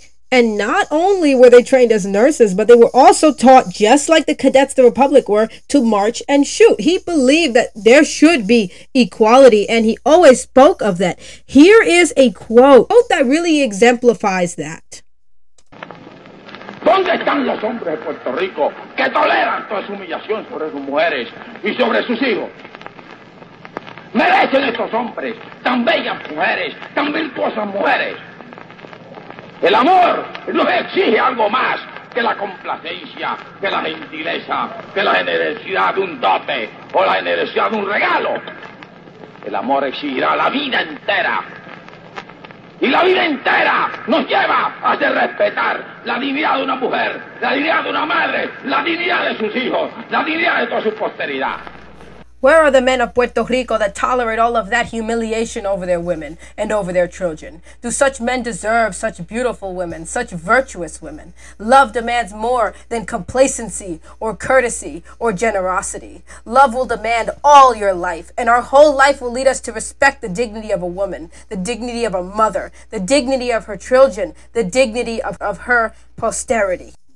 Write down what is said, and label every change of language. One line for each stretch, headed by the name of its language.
English: And not only were they trained as nurses, but they were also taught, just like the Cadets of the Republic were, to march and shoot. He believed that there should be equality, and he always spoke of that. Here is a quote that really exemplifies that.
Spanish: ¿Dónde están los hombres de Puerto Rico que toleran toda esa humillación sobre sus mujeres y sobre sus hijos? ¿Merecen estos hombres, tan bellas mujeres, tan virtuosas mujeres? El amor nos exige algo más que la complacencia, que la gentileza, que la generosidad de un dote o la generosidad de un regalo. El amor exigirá la vida entera. Y la vida entera nos lleva a hacer respetar la dignidad de una mujer, la dignidad de una madre, la dignidad de sus hijos, la dignidad de toda su posteridad.
English: Where are the men of Puerto Rico that tolerate all of that humiliation over their women and over their children? Do such men deserve such beautiful women, such virtuous women? Love demands more than complacency or courtesy or generosity. Love will demand all your life, and our whole life will lead us to respect the dignity of a woman, the dignity of a mother, the dignity of her children, the dignity of her posterity.